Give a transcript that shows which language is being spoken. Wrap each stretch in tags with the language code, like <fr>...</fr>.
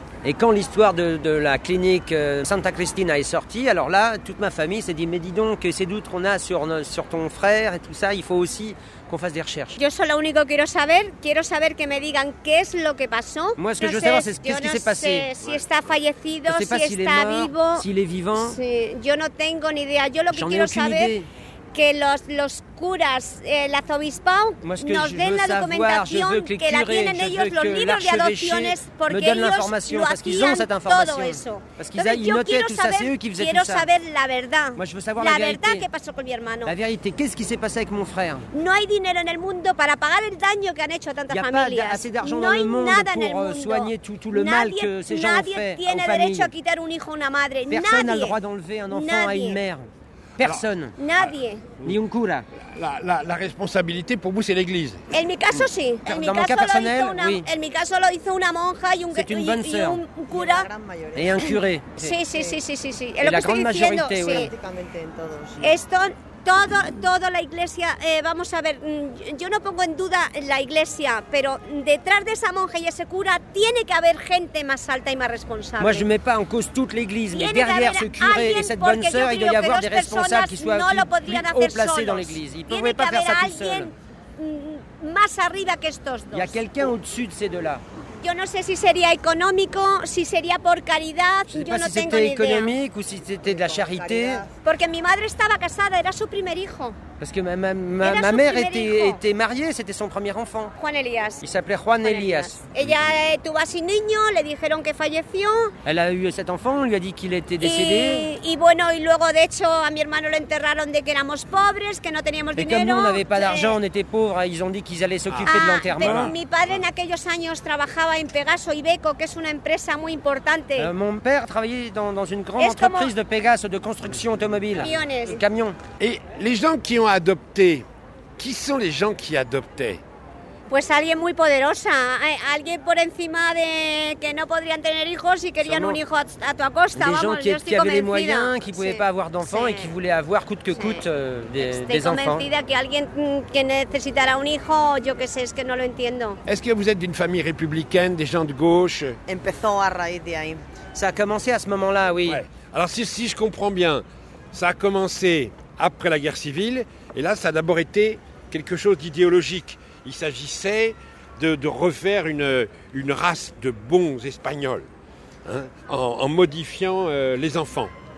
<fr>Et quand l'histoire de la clinique Santa Cristina est sortie, alors là, toute ma famille s'est dit, mais dis donc, ces doutes qu'on a sur ton frère et tout ça, il faut aussi qu'on fasse des recherches.</fr> <es>Yo solo único quiero saber que me digan qué es lo que pasó.</es> <fr>Moi, ce que je veux savoir, c'est qu'est-ce qui s'est passé.</fr> <es>Si está fallecido, si está vivo.</es> <fr>Je ne sais pas s'il est mort, s'il est vivant.</fr> <es>Yo no tengo ni idea. Yo lo que quiero saber... que los curas, l'arzobispo, nos den la documentación que la tienen ellos, los libros de adopciones, porque ellos lo hacían</es> <fr>parce qu'ils ont cette information. Parce qu'ils notaient tout ça, c'est eux qui faisaient tout ça.</fr> <es>Quiero saber la verdad.</es> <fr>Moi, je veux savoir la vérité.</fr> <es>Verdad que pasó con mi hermano.</es> <fr>La vérité, qu'est-ce qui s'est passé avec mon frère?</fr> <es>No hay dinero en el mundo para pagar el daño que han hecho a tantas familias.</es> <fr>Il n'y a pas assez d'argent dans le monde pour soigner tout le mal que ces gens ont fait aux familles.</fr> <es>Nadie tiene derecho a quitar un hijo a una madre.</es> <fr>Personne n'a le droit d'enlever un enfant à une mère. Personne.</fr> <es>Alors, nadie. Ni un cura.</es> <fr>La responsabilité pour vous, c'est l'Église.</fr> <es>En mi caso, sí.</es> <fr>Dans mon cas personnel,</fr> <es>una,</es> <fr>oui.</fr> <es>En mi caso, lo hizo una monja y un,</es> <fr>c'est une bonne sœur.</fr> <es>Un cura.</es> <fr>Et un curé.</fr> <es>Sí.</es> <fr>Et la grande majorité, oui.</fr> <es>Esto, toda la Iglesia, vamos a ver, yo no pongo en duda la Iglesia, pero detrás de esa monja y ese cura tiene que haber gente más alta y más responsable.</es> <fr>Moi, je ne mets pas en cause toute l'Église, mais derrière ce curé et cette bonne sœur, il doit y avoir des responsables qui soient haut placés dans l'Église. Ils ne pouvaient pas faire ça tout seul.</fr> <es>Más arriba que estos dos.</es> <fr>Il y a quelqu'un au-dessus de ces deux-là.</fr> <es>Yo no sé si sería económico, si sería por caridad, yo no tengo ni idea.</es> <fr>Si c'était économique ou si c'était de la charité.</fr> <es>Porque mi madre estaba casada, era su primer hijo.</es> <fr>Parce que ma mère était mariée, c'était son premier enfant.</fr> <es>Juan Elias.</es> <fr>Il s'appelait Juan Elias.</fr> <es>Ella tuvo a su niño, le dijeron que falleció.</es> <fr>Elle a eu cet enfant, on lui a dit qu'il était décédé.</fr> <es>Y bueno, y luego de hecho a mi hermano lo enterraron de que éramos pobres, que no teníamos dinero.</es> <fr>Et comme nous, on n'avait pas d'argent, on était pauvres, ils ont dit qu'ils allaient s'occuper de l'enterrement.</fr> <es>Mi padre en aquellos años trabajaba en Pegaso Iveco, que es una empresa muy importante.</es> <fr>Mon père travaillait dans une grande entreprise de Pegaso, de construction automobile. Camions. Et les gens qui ont adopté, qui sont les gens qui adoptaient?</fr> <es>Pues alguien muy poderosa, alguien por encima de que no podrían tener hijos y querían un hijo a tu costa.</es> <fr>Des gens qui avaient les moyens, qui pouvaient pas avoir d'enfants et qui voulaient avoir coûte que coûte des enfants.</fr> <es>Estoy convencida que alguien que necesitara un hijo, yo qué sé, es que no lo entiendo.</es> <fr>Est-ce que vous êtes d'une famille républicaine, des gens de gauche?</fr> <es>Empezó a raíz de ahí.</es> <fr>Ça a commencé à ce moment-là, oui. Ouais. Alors si je comprends bien, ça a commencé après la guerre civile, et là, ça a d'abord été quelque chose d'idéologique. Il s'agissait de refaire une race de bons Espagnols, hein, en modifiant les enfants.</fr>